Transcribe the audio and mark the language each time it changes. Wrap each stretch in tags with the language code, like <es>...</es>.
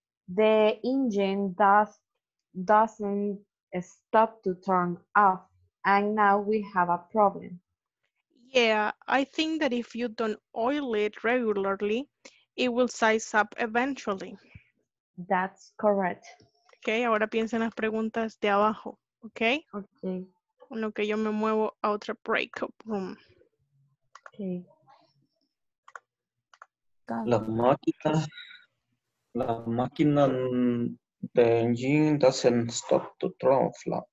<en>The engine doesn't stop to turn off, and now we have a problem. Yeah, I think that if you don't oil it regularly, it will size up eventually. That's correct.</en> <es>Okay, ahora piensa en las preguntas de abajo, okay? Okay. En lo que yo me muevo a otra breakup room. Okay. La máquina,</es> <en>the engine doesn't stop to turn off.</en>